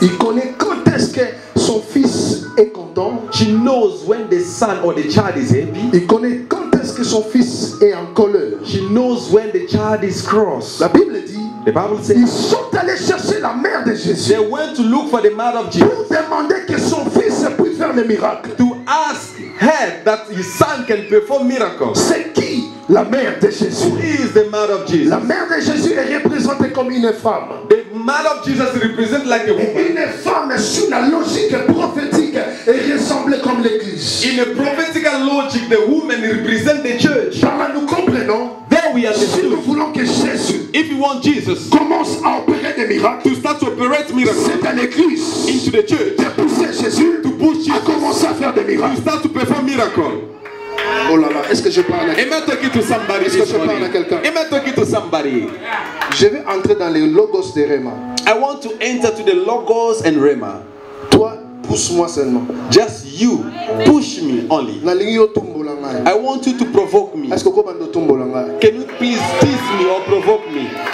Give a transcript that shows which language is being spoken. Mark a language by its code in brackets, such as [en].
[fr] Il connaît quand est-ce que son fils est content. [en] She knows when the son or the child is happy. [fr] Il connaît quand est-ce que son fils est en colère. [en] She knows when the child is cross. [fr] La Bible dit, [en] the Bible says, [fr] ils sont allés chercher la mère de Jésus. [en] They went to look for the mother of Jesus. [fr] Pour demander que son fils puisse faire des miracles. [en] To ask her that his son can perform miracles. [fr] C'est qui la mère de Jésus? [en] Who is the mother of Jesus? [fr] La mère de Jésus est représentée comme une femme. [en] The mother of Jesus is represented like a woman. [fr] Une femme sous la logique prophétique est ressemblée comme l'Église. [en] In a prophetic logic, the woman represents the church. [fr] Par là, nous comprenons. [en] We are [fr] si nous voulons que Jésus, [en] if you want Jesus, [fr] commence à opérer des miracles, [en] to start to operate miracles, [fr] c'est à l'église, [en] into the church, [fr] de pousser Jésus, [en] to push Jesus, [fr] à commencer à faire des miracles, [en] to start to perform miracles. [fr] Oh là là, est-ce que je parle à quelqu'un? [en] Am I talking to somebody? [fr] Est-ce que je parle à quelqu'un? [en] Am I talking to somebody? [fr] Je vais entrer dans les logos de Rema. [en] I want to enter to the logos and Rema. [fr] Toi, pousse-moi seulement. [en] Just you, push me only. I want you to provoke me. Can you please tease me or provoke me?